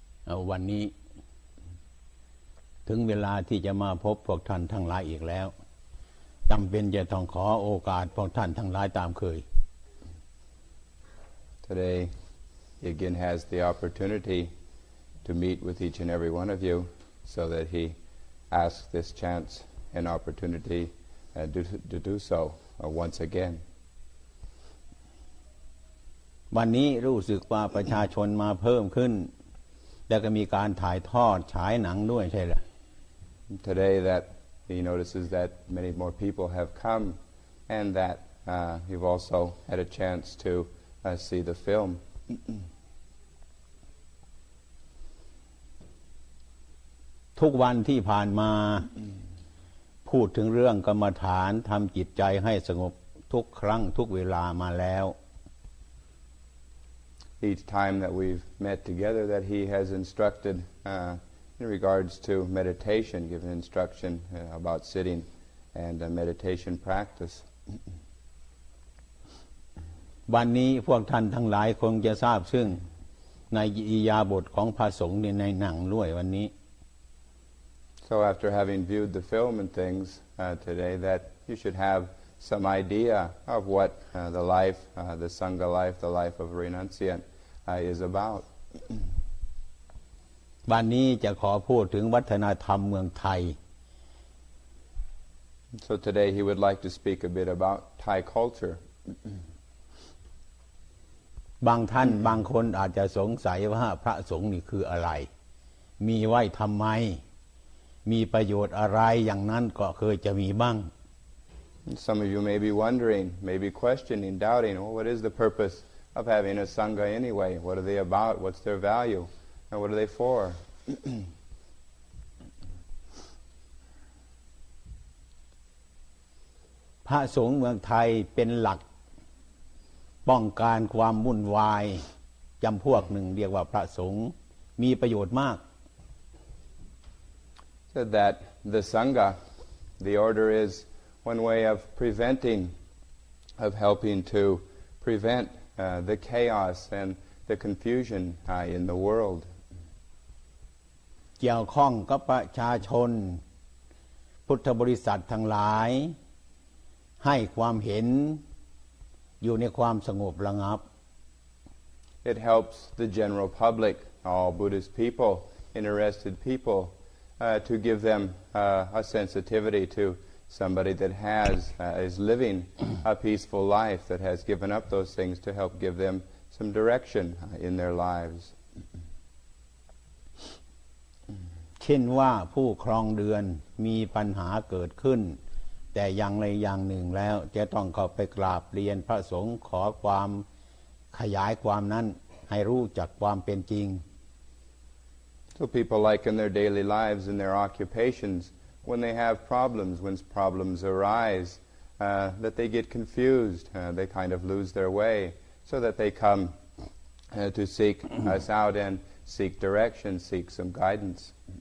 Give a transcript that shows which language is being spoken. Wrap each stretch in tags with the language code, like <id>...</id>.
<th>เอาวันนี้ถึงเวลาที่จะมาพบพวกท่านทั้งหลายอีกแล้วจำเป็นจะต้องขอโอกาสพวกท่านทั้งหลายตามเคย</th> <en>Today again has the opportunity to meet with each and every one of you so that he asks this chance and opportunity to do so once again</en> <th>วันนี้รู้สึกว่าประชาชนมาเพิ่มขึ้นแล้วก็มีการถ่ายทอดฉายหนังด้วยใช่หรือ</th> <en>Today that he notices that many more people have come and that you've also had a chance to see the film</en> <th>ทุกวันที่ผ่านมาพูดถึงเรื่องกรรมฐานทำจิตใจให้สงบทุกครั้งทุกเวลามาแล้ว</th> <en>Each time that we've met together that he has instructed in regards to meditation, given instruction about sitting and meditation practice.</en> <th>วันนี้พวกท่านทั้งหลายคงจะทราบซึ่งในอิยาบทของพระสงฆ์ในหนังด้วยวันนี้</th> <en>So after having viewed the film and things today that you should haveSome idea of what the life, the Sangha life, the life of a renunciant is about.</en> <th>วันนี้จะขอพูดถึงวัฒนธรรมเมืองไทย</th> <en>So today he would like to speak a bit about Thai culture.</en> <th>บางท่านบางคนอาจจะสงสัยว่าพระสงฆ์นี่คืออะไรมีไว้ทำไมมีประโยชน์อะไรอย่างนั้นก็เคยจะมีบ้าง</th> <en>Some of you may be wondering, may be questioning, doubting, well, what is the purpose of having a Sangha anyway? What are they about? What's their value? And what are they for?</en> <th>พระสงฆ์เมืองไทยเป็นหลักป้องกันความวุ่นวายจำพวกหนึ่งเรียกว่าพระสงฆ์มีประโยชน์มาก</th> <en>So that the Sangha, the order isOne way of preventing, of helping to prevent the chaos and the confusion in the world.</en> <th>เกี่ยวข้องกับประชาชนพุทธบริษัททั้งหลายให้ความเห็นอยู่ในความสงบระงับ</th> <en>It helps the general public, all Buddhist people, interested people, to give them a sensitivity to. Somebody that has is living a peaceful life that has given up those things to help give them some direction in their lives.</en> <th>เช่นว่าผู้ครองเรือนมีปัญหาเกิดขึ้นแต่อย่างใดอย่างหนึ่งแล้วจะต้องเข้าไปกราบเรียนพระสงฆ์ขอความขยายความนั้นให้รู้จักความเป็นจริง</th> <en>So people like in their daily lives in their occupationsWhen they have problems, when problems arise, that they get confused, they kind of lose their way, so that they come to seek us out and seek direction, seek some guidance.</en>